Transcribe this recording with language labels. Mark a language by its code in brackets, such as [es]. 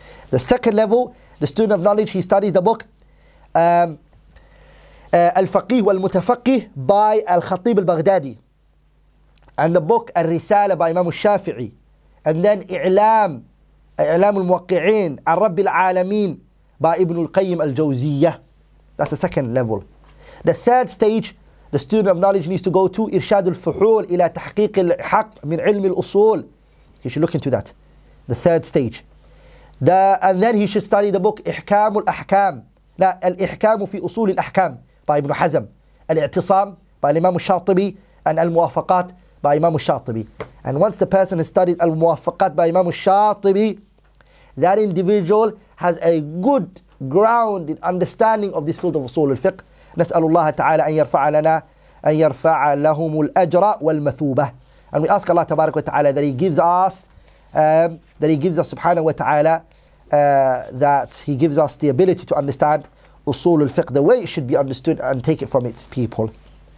[en] The second level, the student of knowledge, he studies the book al-faqih wal-mutafaqih by al-khatib al-baghdadi, and the book al-risala by Imam al-Shafi'i, and then i'lam al-muwaqi'in al-rabbi al-alameen by Ibn al-Qayyim al-Jawziyyah. That's the second level. The third stage, the student of knowledge needs to go to irshad al-fuhul ila tahqiq al-haq min ilm al-usul. He should look into that, the third stage. And then he should study the book إحكام الأحكام, لا الإحكام في أصول الأحكام by Ibn Hazm, الاعتصام by Imam الشاطبي, and الموافقات by Imam الشاطبي. And once the person has studied الموافقات by Imam الشاطبي, that individual has a good grounded understanding of this field of أصول الفقه. [ar] نسأل الله تعالى أن يرفع لنا أن يرفع لهم الأجر والمثوبة. [en] And we ask Allah تبارك وتعالى that He gives us subhanahu wa ta'ala, that he gives us the ability to understand usul al-fiqh the way it should be understood and take it from its people.